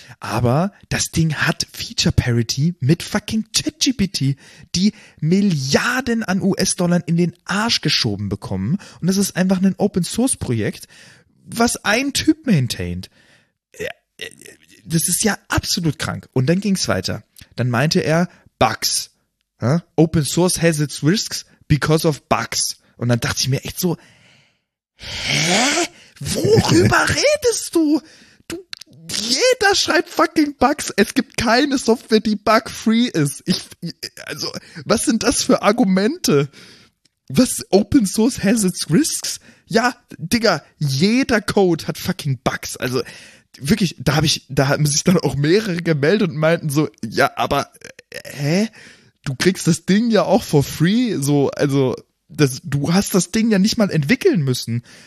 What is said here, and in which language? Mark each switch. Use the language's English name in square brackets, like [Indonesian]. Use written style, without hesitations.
[German] Aber das Ding hat Feature Parity mit fucking ChatGPT, die Milliarden an US-Dollar in den Arsch geschoben bekommen. Und das ist einfach ein Open-Source-Projekt, was ein Typ maintaint. Das ist ja absolut krank. Und dann ging es weiter. Dann meinte er, Bugs. Ja? [English] Open Source has its risks because of bugs. [German] Und dann dachte ich mir echt so, hä? Worüber redest du? Jeder schreibt fucking Bugs. Es gibt keine Software, die bug-free ist. Also, was sind das für Argumente? Was, [English] Open Source has its risks? [German] Ja, Digga, jeder Code hat fucking Bugs. Also, wirklich, da haben sich dann auch mehrere gemeldet und meinten so, ja, aber hä? Du kriegst das Ding ja auch for free, so, also das, du hast das Ding ja nicht mal entwickeln müssen.